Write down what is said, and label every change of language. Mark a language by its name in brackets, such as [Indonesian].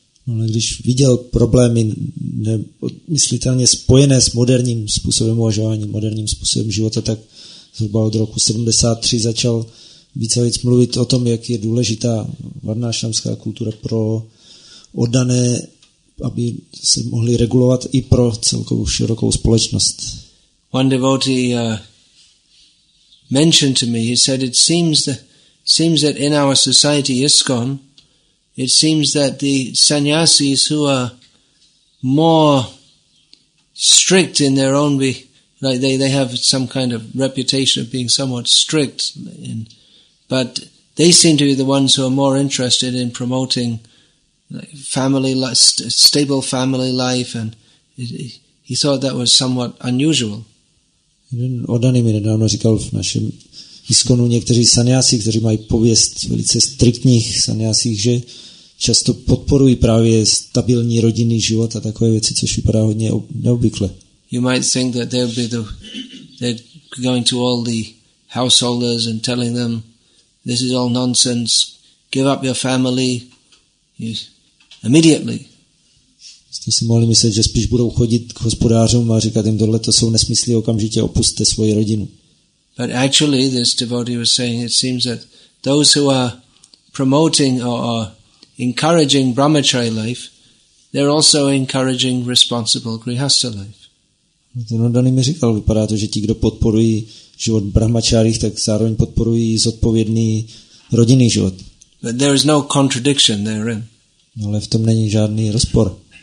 [Czech] Ale když viděl problémy nemyslitelně spojené s moderním způsobem uvažování, moderním způsobem života, tak zhruba od roku 73 začal více a víc mluvit o tom, jak je důležitá varnášramská kultura pro oddané, aby se mohli regulovat i pro celkovou širokou společnost. [English] One devotee mentioned to me, he said, it seems that in our society ISKCON, it seems that the sannyasis who are more strict in their own they have some kind of reputation of being somewhat strict in, but they seem to be the ones who are more interested in promoting family life, stable family life, and he thought that was somewhat unusual. [Czech] Oddaný mi nedávno říkal v našem ISKCONu někteří sannyasi, kteří mají pověst velice striktních sannyasi, že často podporují právě stabilní rodinný život a takové věci, což vypadá hodně neobvykle. [English] You might think that they're going to all the householders and telling them this is all nonsense, give up your family immediately. [Czech] Jste si mohli myslet, že spíš budou chodit k hospodářům a říkat jim, tohle to jsou nesmysly, okamžitě opusťte svoji rodinu. [English] But actually, this devotee was saying, it seems that those who are promoting or are encouraging brahmacharya life, they're also encouraging responsible grihastha life. [Czech] Ten oddaný mi říkal, vypadá to, že ti, kdo podporují život brahmacharích, tak zároveň podporují zodpovědný rodinný život. [English] But there is no contradiction therein. [Czech] Ale v tom není žádný rozpor.